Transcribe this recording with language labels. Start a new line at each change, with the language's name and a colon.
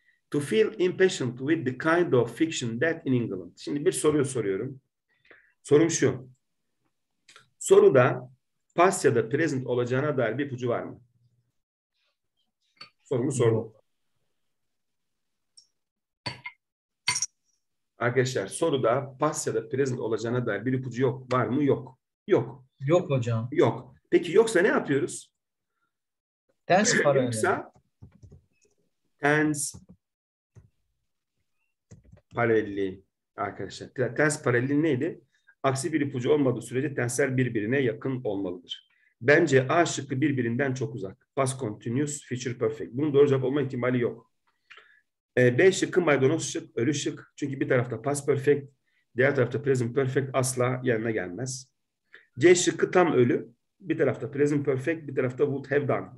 English: To feel impatient with the kind of fiction that in England.
Turkish: Şimdi bir soruyu soruyorum. Sorum şu. Soruda past ya da present olacağına dair bir ipucu var mı? Sorumu sordum. Arkadaşlar soruda past ya da present olacağına dair bir ipucu yok. Var mı? Yok. Yok. Yok hocam. Yok. Peki yoksa ne yapıyoruz? Tense para. Yoksa tense paralelliği arkadaşlar. Tense paralelliği neydi? Aksi bir ipucu olmadığı sürece tensler birbirine yakın olmalıdır. Bence A şıkkı birbirinden çok uzak. Past continuous, future perfect. Bunun doğru cevap olma ihtimali yok. B şıkkı maydanoz şık, ölü şık. Çünkü bir tarafta past perfect, diğer tarafta present perfect asla yanına gelmez. C şıkkı tam ölü. Bir tarafta present perfect, bir tarafta would have done.